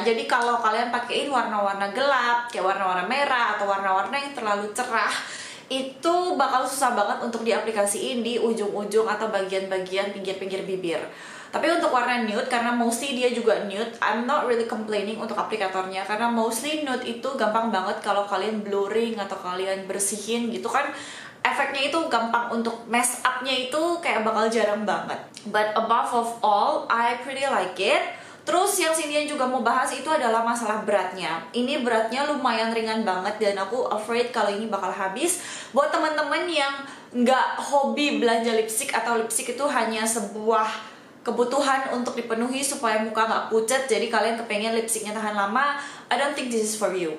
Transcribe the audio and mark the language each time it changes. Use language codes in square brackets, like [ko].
[id] Jadi kalau kalian pakein warna-warna gelap, kayak warna-warna merah atau warna-warna yang terlalu cerah, itu bakal susah banget untuk diaplikasiin di ujung-ujung atau bagian-bagian pinggir-pinggir bibir. Tapi untuk warna nude, karena mostly dia juga nude, [en] I'm not really complaining [id] untuk aplikatornya. Karena mostly nude itu gampang banget kalau kalian blurring atau kalian bersihin gitu kan. Efeknya itu gampang, untuk mess up-nya itu kayak bakal jarang banget. [en] But above of all, I pretty like it. [id] Terus yang Cynthia juga mau bahas itu adalah masalah beratnya. Ini beratnya lumayan ringan banget dan aku afraid kalau ini bakal habis. Buat teman-teman yang nggak hobi belanja lipstick atau lipstick itu hanya sebuah kebutuhan untuk dipenuhi supaya muka nggak pucat, jadi kalian kepengen lipsticknya tahan lama, [en] I don't think this is for you.